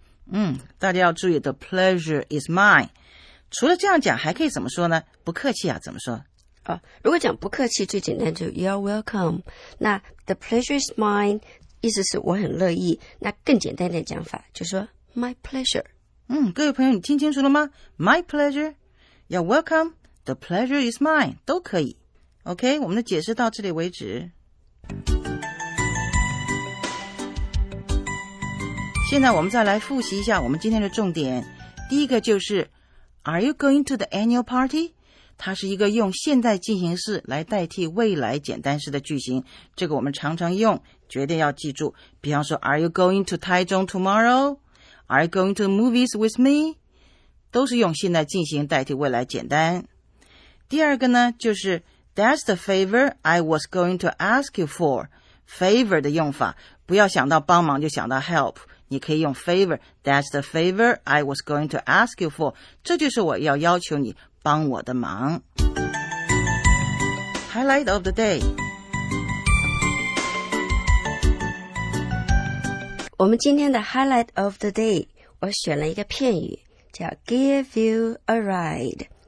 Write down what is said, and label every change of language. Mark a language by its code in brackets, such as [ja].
[zh] 嗯，大家要注意 [en] the pleasure is mine. [zh] 除了这样讲还可以怎么说呢？不客气啊，怎么说？哦，如果讲不客气最简单就 [en] you're welcome. [zh] 那 [en] the pleasure is mine, [zh] 意思是我很乐意，那更简单的讲法就说 [en] my pleasure。 [zh] 嗯，各位朋友你听清楚了吗？ [en] my pleasure, you're welcome, the pleasure is mine, [zh] 都可以。 OK， 我们的解释到这里为止。现在我们再来复习一下我们今天的重点。第一个就是 [en] Are you going to the annual party? [zh] 它是一个用现在进行式来代替未来简单式的句型，这个我们常常用，绝对要记住。 [en] 比方说 Are you going to 台中 tomorrow? Are you going to the movies with me? [zh] 都是用现在进行代替未来简单。第二个呢，就是 [en] That's the favor I was going to ask you for. [zh] Favor 的用法，不要想到帮忙就想到 help, 你可以用 favor. [en] That's the favor I was going to ask you for. [zh] 这就是我要要求你帮我的忙。 [en] Highlight of the day， [zh] 我们今天的 [en] Highlight of the day， [zh] 我选了一个片语叫 [en] Give you a ride。